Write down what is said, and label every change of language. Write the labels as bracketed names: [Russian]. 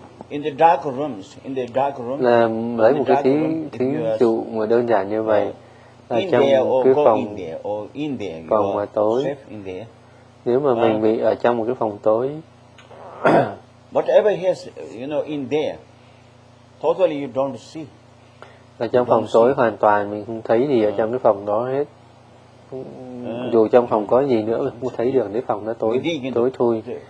[English] In the dark rooms, in the dark rooms. [Vietnamese] Là lấy một cái thí dụ mà đơn giản như vậy. Là trong cái phòng phòng mà tối. Nếu mà mình bị ở trong một cái phòng tối. [English] Whatever he has, you know, in there, totally you don't see. [Vietnamese] Là trong phòng tối hoàn toàn mình không thấy gì ở trong cái phòng đó hết. dù trong phòng có gì nữa cũng không thấy được, nếu phòng nó tối tối thui.